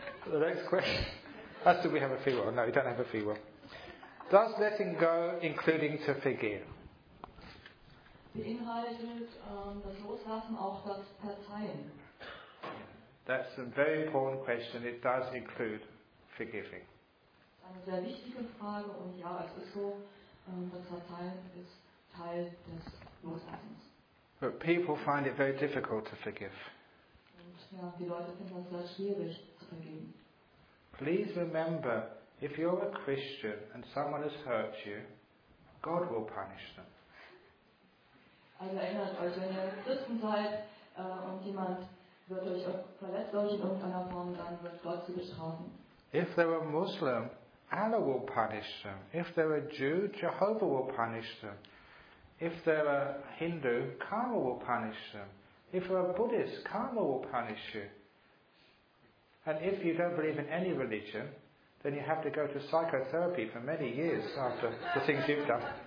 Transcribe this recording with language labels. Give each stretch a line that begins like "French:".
English: The next question. I still we have a free will. No, you don't have a free will. Does letting go, including to forgive?
German: Beinhaltet das Loslassen auch das Verzeihen?
English: That's a very important question. It does include forgiving.
German: Eine sehr wichtige Frage und ja, es ist so, das Verzeihen ist Teil des Loslassens.
English: But people find it very difficult to forgive.
German: Und ja, die Leute finden es sehr schwierig zu vergeben.
English: Please remember, if you're a Christian and someone has hurt you, God will punish them.
German: Also erinnert euch, wenn ihr Christen seid und jemand wird euch verletzt euch in irgendeiner Form, dann wird Gott sie bestrafen.
English: If they're a Muslim, Allah will punish them. If they're a Jew, Jehovah will punish them. If they're a Hindu, karma will punish them. If they're a Buddhist, karma will punish you. And if you don't believe in any religion, then you have to go to psychotherapy for many years after the things you've done.